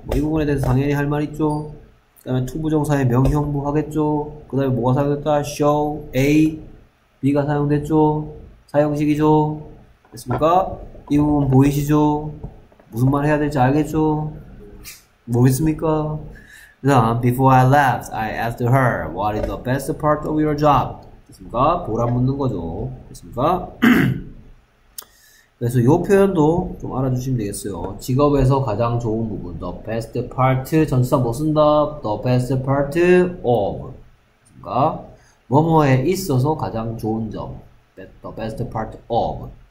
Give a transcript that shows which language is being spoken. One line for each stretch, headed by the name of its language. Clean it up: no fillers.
Korean: 뭐 이 부분에 대해서 당연히 할 말 있죠. 그 다음에 to 부정사의 명형부 하겠죠. 그 다음에 뭐가 사용됐다? show, a, b가 사용됐죠. 사용식이죠. 됐습니까? 이 부분 보이시죠? 무슨 말 해야 될지 알겠죠? 모르겠습니까?
English: 그 다음, before I left, I asked her, what is the best part of your job?
Korean: 됐습니까? 보람 묻는 거죠. 됐습니까? 그래서 요 표현도 좀 알아주시면 되겠어요. 직업에서 가장 좋은 부분
English: the best part
Korean: 전치사 뭐 쓴다?
English: the best part of
Korean: 그러니까 뭐뭐에 있어서 가장 좋은 점
English: the best part of